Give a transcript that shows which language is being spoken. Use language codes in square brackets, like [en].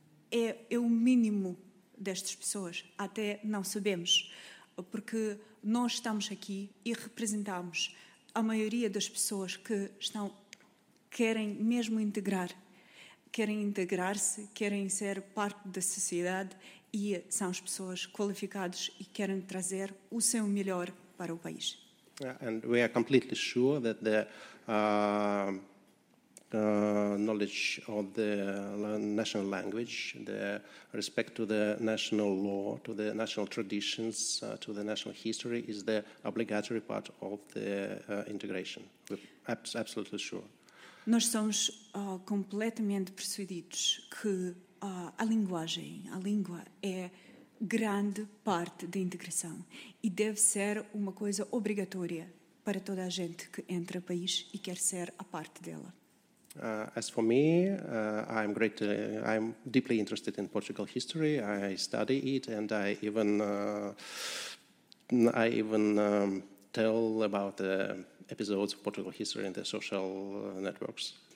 [pt] é o mínimo destas pessoas, até não sabemos, porque nós estamos aqui e representamos a maioria das pessoas que estão querem mesmo integrar, querem integrar-se, querem ser parte da sociedade e são as pessoas qualificadas e querem trazer o seu melhor para o país. [en] And we are completely sure that the knowledge of the national language, the respect to the national law, to the national traditions, to the national history is the obligatory part of the integration. Absolutely sure. [pt] Nós somos completamente persuadidos que a língua é grande parte da integração e deve ser uma coisa obrigatória para toda a gente que entra no país e quer ser a parte dela. [en] As for me, I'm deeply interested in Portugal history. I study it and I even tell about the episodes of Portugal history in the social networks.